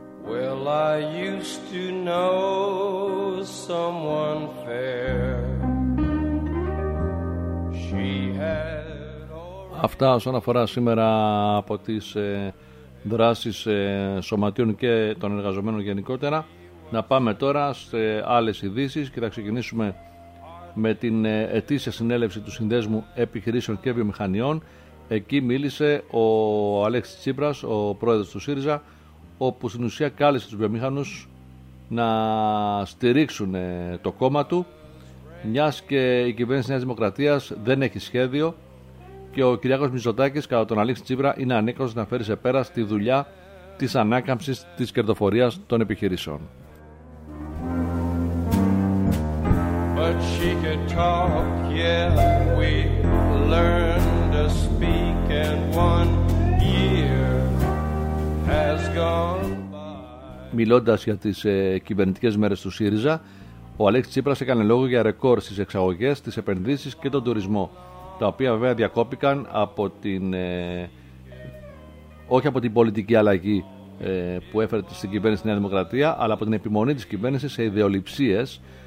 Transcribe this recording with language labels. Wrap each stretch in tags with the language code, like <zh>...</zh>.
<en>Well, I used to know someone fair. She had already...</en> <el>Αυτά όσον αφορά σήμερα από τις δράσεις σωματείων και των εργαζομένων γενικότερα. Να πάμε τώρα σε άλλες ειδήσεις και θα ξεκινήσουμε με την ετήσια συνέλευση του Συνδέσμου Επιχειρήσεων και Βιομηχανιών. Εκεί μίλησε ο Αλέξης Τσίπρας, ο πρόεδρος του ΣΥΡΙΖΑ, όπου στην ουσία κάλεσε τους βιομηχανούς να στηρίξουν το κόμμα του, μιας και η κυβέρνηση της Νέας Δημοκρατίας δεν έχει σχέδιο και ο Κυριάκος Μητσοτάκης, κατά τον Αλέξη Τσίπρα, είναι ανίκανος να φέρει σε πέρας τη δουλειά της ανάκαμψης της κερδοφορίας των επιχειρήσεων.</el> <en>But she could talk, yeah, we learned to speak, and one year has gone by.</en> <el>Μιλώντας για τις κυβερνητικές μέρες του ΣΥΡΙΖΑ, ο Αλέξης Τσίπρας έκανε λόγο για ρεκόρ στις εξαγωγές, τις επενδύσεις και τον τουρισμό, τα οποία βέβαια διακόπηκαν από την όχι από την πολιτική αλλαγή που έφερε στην κυβέρνηση Νέα Δημοκρατία, αλλά από την επιμονή της κυβέρνησης σε ιδεολειψίες.</el>